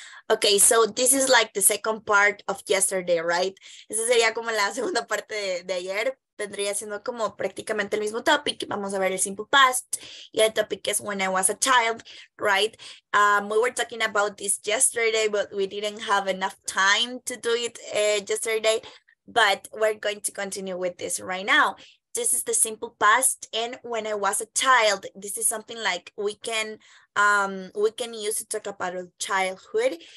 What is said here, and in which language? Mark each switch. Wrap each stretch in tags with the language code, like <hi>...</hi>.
<en>Okay, so this is like the second part of yesterday, right?</en> <es>Esa sería como la segunda parte de ayer. Vendría siendo como prácticamente el mismo topic. Vamos a ver el simple past.</es> <en>Y el topic is when I was a child, right? We were talking about this yesterday, but we didn't have enough time to do it yesterday. But we're going to continue with this right now. This is the simple past, and when I was a child, this is something like we can use to talk about childhood.</en>